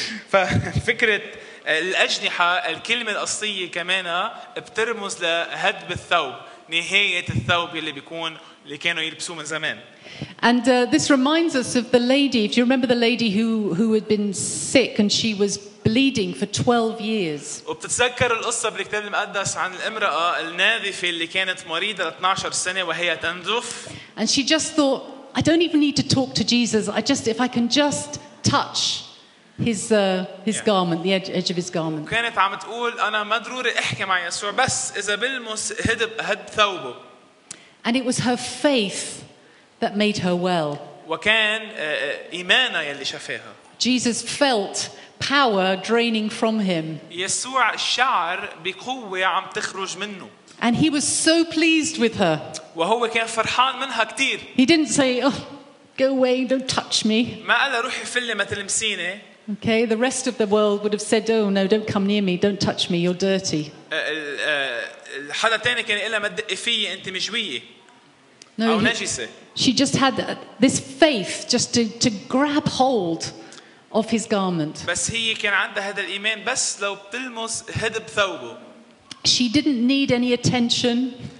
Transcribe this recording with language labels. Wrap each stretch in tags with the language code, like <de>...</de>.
<ar>ففكرة الأجنحة الكلمة الأصلية كمان بترمز لهد بالثوب نهاية الثوب اللي بيكون اللي كانوا يلبسوه من زمان.</ar> <en>And this reminds us of the lady. If you remember the lady who had been sick and she was bleeding for 12 years.</en> <ar>وبتتذكر القصة بالكتاب المقدس عن الامرأة النازفة اللي كانت مريضة 12 سنة وهي تنزف.</ar> <en>And she just thought, I don't even need to talk to Jesus. If I can just touch his garment, the edge of his garment.</en> <ar>كانت عم تقول أنا ما ضروري أحكي مع يسوع بس إذا بلمس هد ثوبه.</ar> <en>And it was her faith that made her well.</en> <ar>وكان إيمانها يلي شفاها.</ar> <en>Jesus felt power draining from him.</en> <ar>يسوع شعر بقوة عم تخرج منه.</ar> <en>And he was so pleased with her.</en> <ar>وهو كان فرحان منها كتير.</ar> <en>He didn't say, "Oh, go away, don't touch me."</en> <ar>ما قال روحي فلي ما تلمسيني.</ar> <en>Okay, the rest of the world would have said, "Oh no, don't come near me, don't touch me, you're dirty."</en> <ar>الحدا تاني كان إلها ما تدقي فيي أنت مشوية.</ar> <en>No, she just had this faith just to grab hold of his garment.</en> <ar>بس هي كان عندها هذا الإيمان بس لو بتلمس هدب ثوبه.</ar> <en>She didn't need any attention.</en>